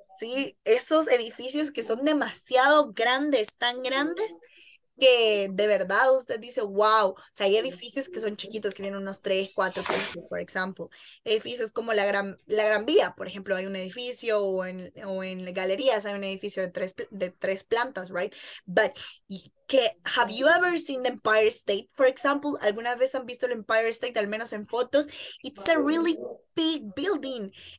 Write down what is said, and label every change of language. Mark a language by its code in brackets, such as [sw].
[es] Sí, esos edificios que son demasiado grandes, tan grandes, que de verdad usted dice, wow. O sea, hay edificios que son chiquitos, que tienen unos 3, 4 pisos, por ejemplo. Edificios como la Gran Vía, por ejemplo, hay un edificio, o en galerías hay un edificio de tres plantas, right? [en] But, que, have you ever seen the Empire State, for example? [es] ¿Alguna vez han visto el Empire State, al menos en fotos? [en] It's a really big building.